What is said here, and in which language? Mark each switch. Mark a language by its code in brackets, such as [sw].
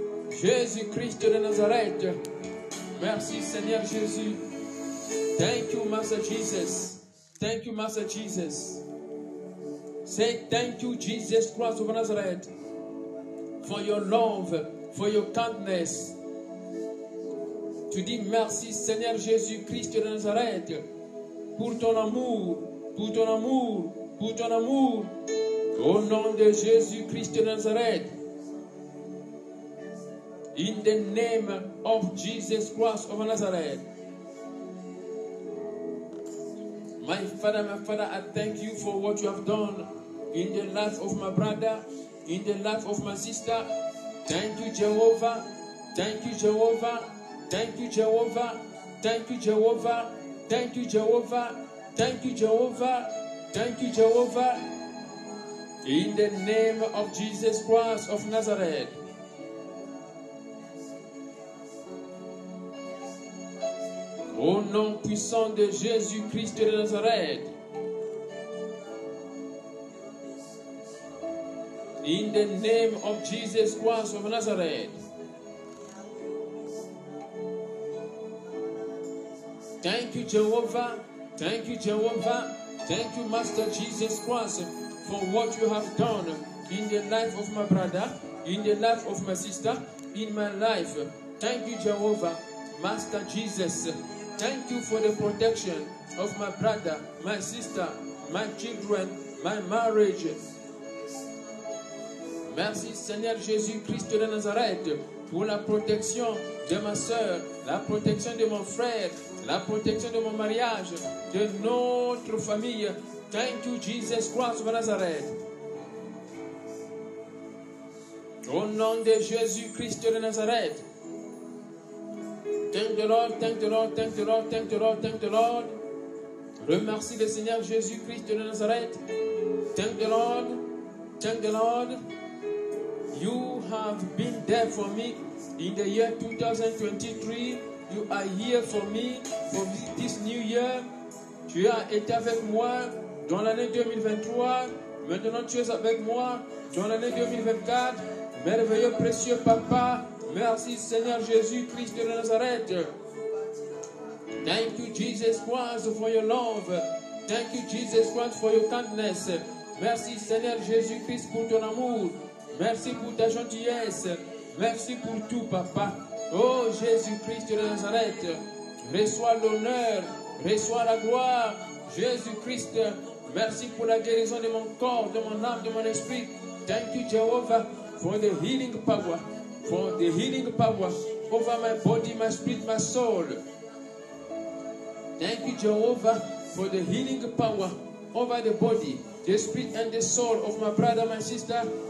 [fr] Jésus-Christ de Nazareth. Merci Seigneur Jésus. [en] Thank you, Master Jesus. Thank you, Master Jesus. Say thank you, Jesus Christ of Nazareth, for your love, for your kindness. [fr] Tu dis merci Seigneur Jésus-Christ de Nazareth pour ton amour, pour ton amour, pour ton amour. Au nom de Jésus-Christ de Nazareth. [en] In the name of Jesus Christ of Nazareth. My Father, I thank you for what you have done in the life of my brother, in the life of my sister. Thank you, Jehovah. Thank you, Jehovah. Thank you, Jehovah. Thank you, Jehovah. Thank you, Jehovah. Thank you, Jehovah. Thank you, Jehovah. In the name of Jesus Christ of Nazareth. [fr] Au nom puissant de Jésus-Christ de Nazareth. [en] In the name of Jesus Christ of Nazareth. Thank you, Jehovah. Thank you, Jehovah. Thank you, Master Jesus Christ, for what you have done in the life of my brother, in the life of my sister, in my life. Thank you, Jehovah, Master Jesus. Thank you for the protection of my brother, my sister, my children, my marriage. [fr] Merci, Seigneur Jésus-Christ de Nazareth, pour la protection de ma sœur, la protection de mon frère, la protection de mon mariage, de notre famille. [en] Thank you, Jesus Christ of Nazareth. [fr] Au nom de Jésus-Christ de Nazareth. [en] Thank the Lord, thank the Lord, thank the Lord, thank the Lord, thank the Lord. [fr] Remercie le Seigneur Jésus-Christ de Nazareth. [en] Thank the Lord, thank the Lord. You have been there for me in the year 2023. You are here for me for this new year. [fr] Tu as été avec moi dans l'année 2023. Maintenant, tu es avec moi dans l'année 2024. Merveilleux, précieux Papa. Merci, Seigneur Jésus-Christ de Nazareth. [en] Thank you, Jesus Christ, for your love. Thank you, Jesus Christ, for your kindness. [fr] Merci, Seigneur Jésus-Christ, pour ton amour. Merci pour ta gentillesse. Merci pour tout, Papa. Oh, Jésus-Christ de Nazareth, reçois l'honneur, reçois la gloire. Jésus-Christ, merci pour la guérison de mon corps, de mon âme, de mon esprit. [en] Thank you, Jehovah, for the healing power. For the healing power over my body, my spirit, my soul. Thank you, Jehovah, for the healing power over the body, the spirit, and the soul of my brother, my sister.